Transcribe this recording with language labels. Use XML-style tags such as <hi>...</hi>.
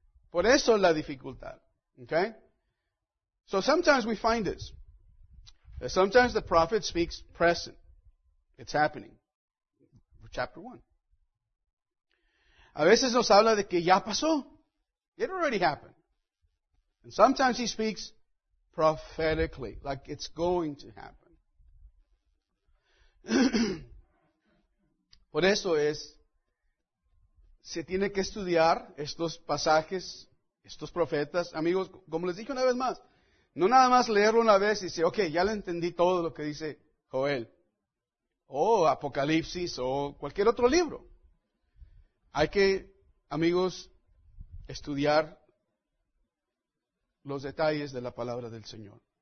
<es>Por eso la dificultad.</es> <en>Okay? So sometimes we find this. Sometimes the prophet speaks present. It's happening. Chapter 1.</en> <es>A veces nos habla de que ya pasó.</es> <en>It already happened. And sometimes he speaks prophetically, like it's going to happen.</en> <es>Por eso es, se tiene que estudiar estos pasajes, estos profetas. Amigos, como les dije una vez más, no nada más leerlo una vez y decir, ok, ya le entendí todo lo que dice Joel. O Apocalipsis, o cualquier otro libro. Hay que, amigos, estudiar los detalles de la palabra del Señor.</es>